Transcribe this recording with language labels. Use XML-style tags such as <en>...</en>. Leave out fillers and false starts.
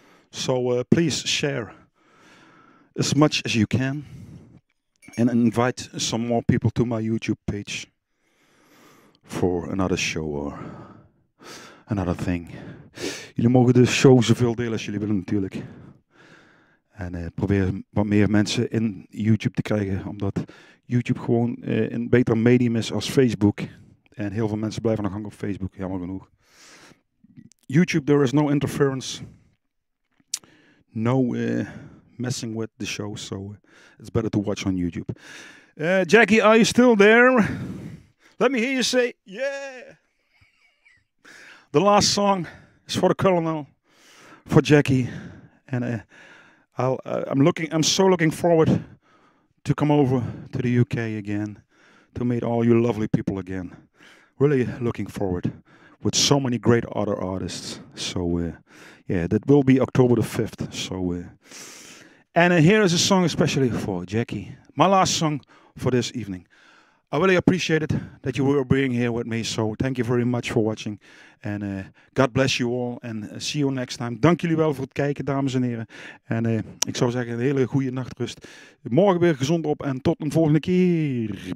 <en>So please share as much as you can. And invite some more people to my YouTube page. For another show or another thing.</en> <nl>Jullie mogen de show zoveel delen als jullie willen natuurlijk. En probeer wat meer mensen in YouTube te krijgen. Omdat YouTube gewoon een beter medium is als Facebook. En heel veel mensen blijven nog hangen op Facebook. Jammer genoeg.</nl> <en>YouTube, there is no interference. No messing with the show. So it's better to watch on YouTube. Jackie, are you still there? Let me hear you say, yeah. The last song is for the colonel. For Jackie. And I'm so looking forward to come over to the UK again to meet all you lovely people again. Really looking forward with so many great other artists. So yeah, that will be October the 5th. So here is a song especially for Jackie. My last song for this evening. I really appreciate it that you were being here with me. So thank you very much for watching. And God bless you all. And see you next time.</en> <nl>Dank jullie wel voor het kijken, dames en heren. En ik zou zeggen, een hele goede nachtrust. Morgen weer gezond op. En tot een volgende keer.</nl>